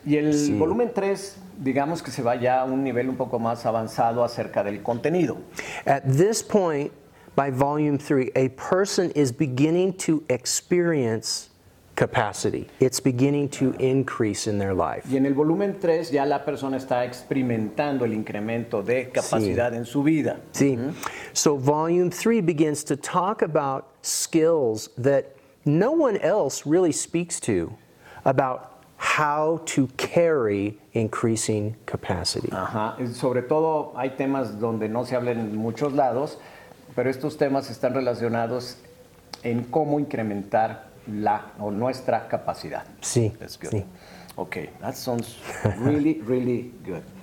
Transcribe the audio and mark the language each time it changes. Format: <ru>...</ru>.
<es>Y el volumen 3, digamos que se va ya a un nivel un poco más avanzado acerca del contenido.</es> <en>At this point, by volume 3, a person is beginning to experience capacity. It's beginning to increase in their life.</en> <es>Y en el volumen 3 ya la persona está experimentando el incremento de capacidad en su vida. Sí.</es> <en>So volume 3 begins to talk about skills that no one else really speaks to about how to carry increasing capacity.</en> <es>Sobre todo hay temas donde no se hablan en muchos lados, pero estos temas están relacionados en cómo incrementar la o nuestra capacidad. Sí.</es> <en>That's good.</en> <es>Sí.</es> <en>Okay, that sounds really, really good.</en>